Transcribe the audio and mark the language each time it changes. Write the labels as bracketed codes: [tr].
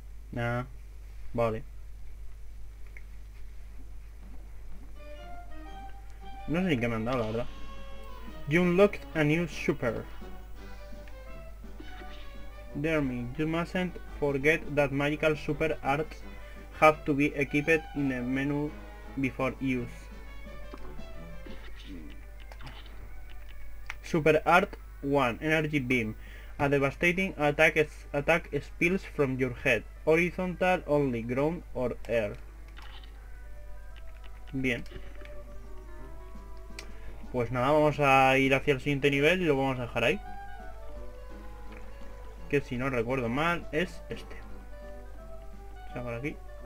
[es] Nah, vale. No sé ni qué me han dado, la verdad. [en] You unlocked a new super. Dear me, you mustn't forget that magical super arts have to be equipped in the menu before use. Super art 1, energy beam. A devastating attack spills from your head. Horizontal only, ground or air. [es] Bien. Pues nada, vamos a ir hacia el siguiente nivel y lo vamos a dejar ahí. Que si no recuerdo mal, es este. O sea, por aquí.